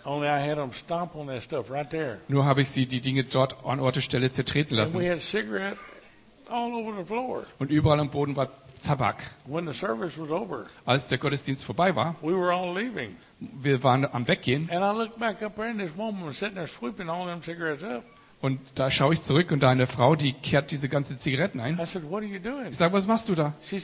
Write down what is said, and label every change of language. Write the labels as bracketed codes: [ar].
[en] Only I had them stomp on that stuff right there. [de] Nur habe ich sie die Dinge dort an Ort und Stelle zertreten lassen. [en] And we had cigarettes all over the floor. [de] Und überall am Boden war Tabak. [en] When the service was over, [de] als der Gottesdienst vorbei war, [en] we were all leaving. [de] Wir waren am Weggehen. [en] And I looked back up there, and this woman was sitting there sweeping all them cigarettes up. [de] Und da schaue ich zurück und da eine Frau, die kehrt diese ganzen Zigaretten ein. Ich sage, was machst du da?